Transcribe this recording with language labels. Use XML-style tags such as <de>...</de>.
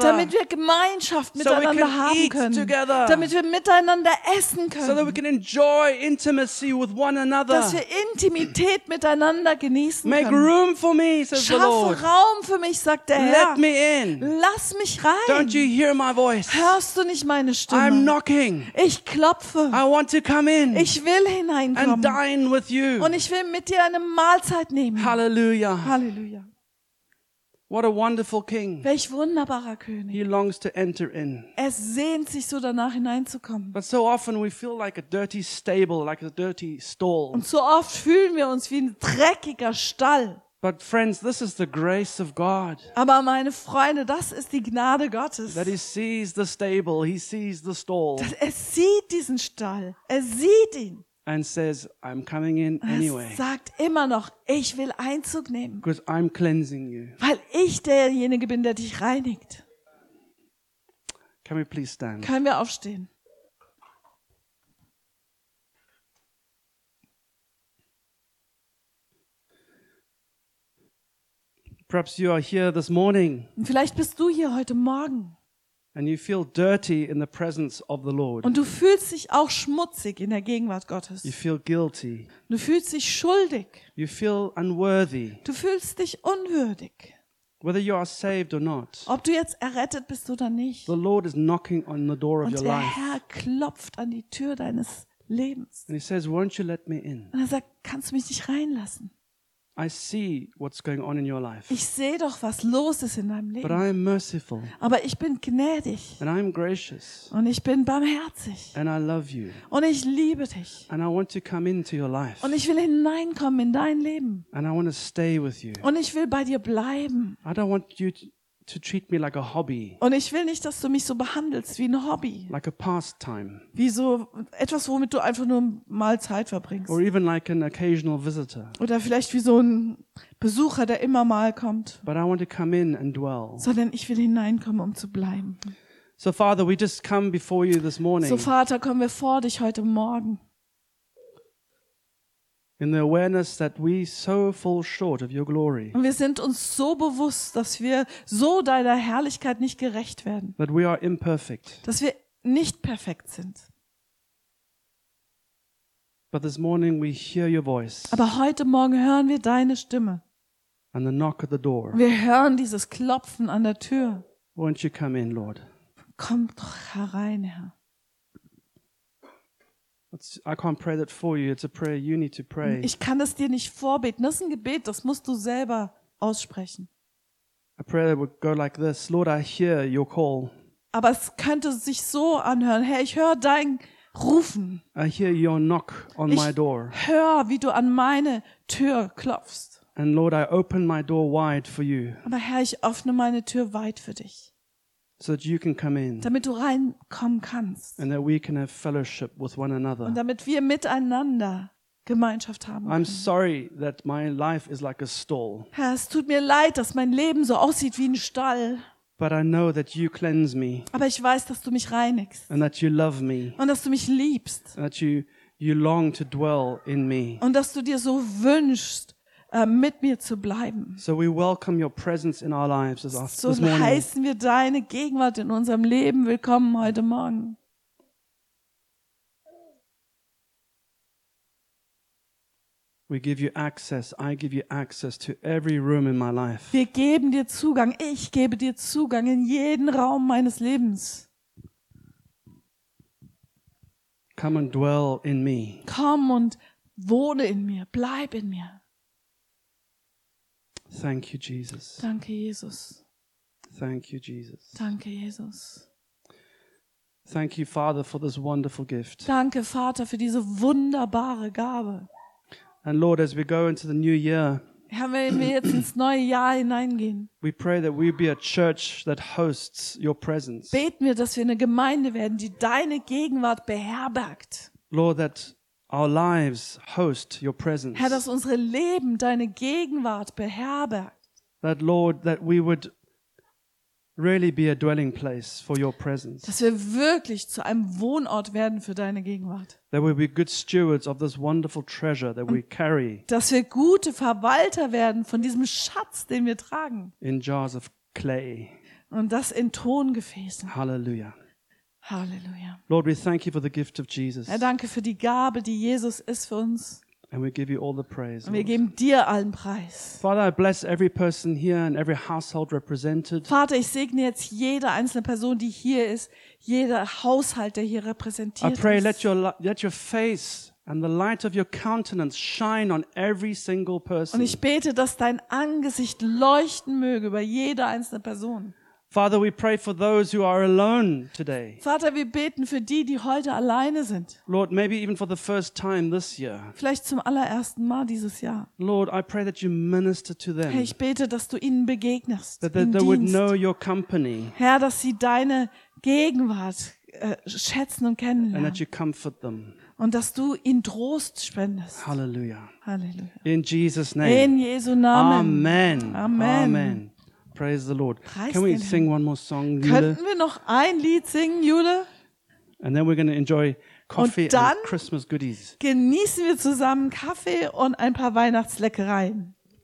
<de>Damit wir Gemeinschaft miteinander so haben können.</de> <en>Together.</en> <de>Damit wir miteinander essen können.</de> <en>So that we can enjoy intimacy with one another.</en> <de>Dass wir Intimität miteinander genießen</de> <en>Make</en> <de>können.</de> <en>Make room for me, says</en> <de>Schaffe</de> <en>the Lord.</en> <de>Raum für mich, sagt der Herr.</de> <en>Let me in.</en> <de>Lass mich rein.</de> <en>Don't you hear my voice?</en> <de>Hörst du nicht meine Stimme?</de> <en>I'm knocking.</en> <de>Ich klopfe.</de> <en>I want to come in.</en> <de>Ich will hineinkommen.</de> <en>And dine with you.</en> <de>Und ich will mit dir eine Mahlzeit nehmen.</de> <en>Halleluja.</en> <de>Halleluja.</de> <en>What a wonderful king.</en> <de>Welch wunderbarer König.</de> <en>He longs to enter in.</en> <de>Er sehnt sich so danach hineinzukommen.</de> <en>But so often we feel like a dirty stable, like a dirty stall.</en> <de>Und so oft fühlen wir uns wie ein dreckiger Stall.</de> <en>But friends, this is the grace of God.</en> <de>Aber meine Freunde, das ist die Gnade Gottes.</de> <en>That he sees the stable, he sees the stall.</en> <de>Dass er sieht diesen Stall. Er sieht ihn.</de> <en>And says, I'm coming in anyway.</en> <de>Er sagt immer noch, ich will Einzug nehmen.</de> <en>Because I'm cleansing you.</en> <de>Weil ich derjenige bin, der dich reinigt.</de> <en>Can we please stand?</en> <de>Können wir aufstehen?</de> <en>Perhaps you are here this morning.</en> <de>Vielleicht bist du hier heute Morgen.</de> <en>And you feel dirty in the presence of the Lord.</en> <de>Und du fühlst dich auch schmutzig in der Gegenwart Gottes.</de> <en>You feel guilty.</en> <de>Du fühlst dich schuldig.</de> <en>You feel unworthy.</en> <de>Du fühlst dich unwürdig.</de> <en>Whether you are saved or not.</en> <de>Ob du jetzt errettet bist oder nicht.</de> <en>The Lord is knocking on the door of your life.</en> <de>Und der Herr klopft an die Tür deines Lebens.</de> <en>And he says, "Won't you let me in?"</en> <de>Und er sagt, kannst du mich nicht reinlassen?</de> <en>I see what's going on in your life.</en> <de>Ich sehe doch, was los ist in deinem Leben.</de> <en>But I am merciful.</en> <de>Aber ich bin gnädig.</de> <en>And I am gracious.</en> <de>Und ich bin barmherzig.</de> <en>And I love you.</en> <de>Und ich liebe dich.</de> <en>And I want to come into your life.</en> <de>Und ich will hineinkommen in dein Leben.</de> <en>And I want to stay with you.</en> <de>Und ich will bei dir bleiben.</de> <en>I don't want you to treat me like a hobby.</en> <de>Und ich will nicht, dass du mich so behandelst wie ein Hobby.</de> <en>Like a pastime.</en> <de>Wie so etwas, womit du einfach nur mal Zeit verbringst.</de> <en>Or even like an occasional visitor.</en> <de>Oder vielleicht wie so ein Besucher, der immer mal kommt.</de> <en>But I want to come in and dwell.</en> <de>Sondern ich will hineinkommen, um zu bleiben.</de> <en>So Father, we just come before you this morning.</en> <de>So Vater, kommen wir vor dich heute Morgen.</de> <en>In the awareness that we so fall short of your glory.</en> <de>Und wir sind uns so bewusst, dass wir so deiner Herrlichkeit nicht gerecht werden.</de> <en>That we are imperfect.</en> <de>Dass wir nicht perfekt sind.</de> <en>But this morning we hear your voice.</en> <de>Aber heute Morgen hören wir deine Stimme.</de> <en>And the knock at the door.</en> <de>Wir hören dieses Klopfen an der Tür.</de> <en>Won't you come in, Lord?</en> <de>Komm doch herein, Herr.</de> <en>I can't pray that for you. It's a prayer you need to pray.</en> <de>Ich kann es dir nicht vorbeten. Das ist ein Gebet, das musst du selber aussprechen.</de> <en>A prayer that would go like this. Lord, I hear your call.</en> <de>Aber es könnte sich so anhören. Herr, ich höre dein Rufen.</de> <en>I hear your knock on</en> <de>ich</de> <en>my door.</en> <de>Ich höre, wie du an meine Tür klopfst.</de> <en>And Lord, I open my door wide for you.</en> <de>Aber Herr, ich öffne meine Tür weit für dich.</de> <en>So that you can come in.</en> <de>Damit du reinkommen kannst.</de> <en>And that we can have fellowship with one another.</en> <de>Und damit wir miteinander Gemeinschaft haben können.</de> <en>I'm sorry that my life is like a stall.</en> <de>Herr, es tut mir leid, dass mein Leben so aussieht wie ein Stall.</de> <en>But I know that you cleanse me.</en> <de>Aber ich weiß, dass du mich reinigst.</de> <en>And that you love me.</en> <de>Und dass du mich liebst.</de> <en>And that you long to dwell in me.</en> <de>Und dass du dir so wünschst, mit mir zu bleiben.</de> <en>So we welcome your presence in our lives as</en> <de>so heißen wir deine Gegenwart in unserem Leben willkommen heute Morgen.</de> <en>We give you access. I give you access to every room in my life.</en> <de>Wir geben dir Zugang. Ich gebe dir Zugang in jeden Raum meines Lebens.</de> <en>Come and dwell in me.</en> <de>Komm und wohne in mir. Bleib in mir.</de> <en>Thank you, Jesus.</en> <de>Danke, Jesus.</de> <en>Thank you, Jesus.</en> <de>Danke, Jesus.</de> <en>Thank you, Father, for this wonderful gift.</en> <de>Danke, Vater, für diese wunderbare Gabe.</de> <en>And Lord, as we go into the new year,</en> <de>Herr, wenn wir jetzt ins neue Jahr hineingehen.</de> <en>We pray that we be a church that hosts your presence.</en> <de>Beten wir, dass wir eine Gemeinde werden, die deine Gegenwart beherbergt.</de> <en>Lord, that our lives host your presence.</en> <de>Herr, dass unsere Leben deine Gegenwart beherbergt.</de> <en>That Lord, that we would really be a dwelling place for your presence.</en> <de>Dass wir wirklich zu einem Wohnort werden für deine Gegenwart.</de> <en>That we be good stewards of this wonderful treasure that we carry.</en> <de>Dass wir gute Verwalter werden von diesem Schatz, den wir tragen.</de> <en>In jars of clay.</en> <de>Und das in Tongefäßen.</de> <en>Halleluja.</en> <de>Halleluja.</de> <en>Lord, we thank you for the gift of Jesus.</en> <de>Herr, danke für die Gabe, die Jesus ist für uns.</de> <en>And we give you all the praise.</en> <de>Und wir geben dir allen Preis.</de> <en>Father, I bless every person here and every household represented.</en> <de>Vater, ich segne jetzt jede einzelne Person, die hier ist, jeder Haushalt, der hier repräsentiert ist.</de> <en>I pray let your face and the light of your countenance shine on every single person.</en> <de>Und ich bete, dass dein Angesicht leuchten möge über jede einzelne Person.</de> <en>Father, we pray for those who are alone today.</en> <de>Vater, wir beten für die, die heute alleine sind.</de> <en>Lord, maybe even for the first time this year.</en> <de>Vielleicht zum allerersten Mal dieses Jahr.</de> <en>Lord, I pray that you minister to them.</en> <de>Herr, ich bete, dass du ihnen begegnest.</de> <en>That they would know your company.</en> <de>Herr, dass sie deine Gegenwart schätzen und kennenlernen.</de> <en>And that you comfort them.</en> <de>Und dass du ihnen Trost spendest.</de> <en>Halleluja.</en> <de>Halleluja.</de> <en>In Jesus' name.</en> <de>In Jesu Namen.</de> <en>Amen.</en> <de>Amen. Amen.</de> <en>Praise the Lord.</en> <de>Preist</de> <en>Can we</en> <de>Herrn.</de> <en>Sing one more song, Jule?</en> <de>Könnten wir noch ein Lied singen, Jule?</de> <en>And then we're going to enjoy coffee and Christmas goodies.</en> <de>Genießen wir zusammen Kaffee und ein paar Weihnachtsleckereien.</de>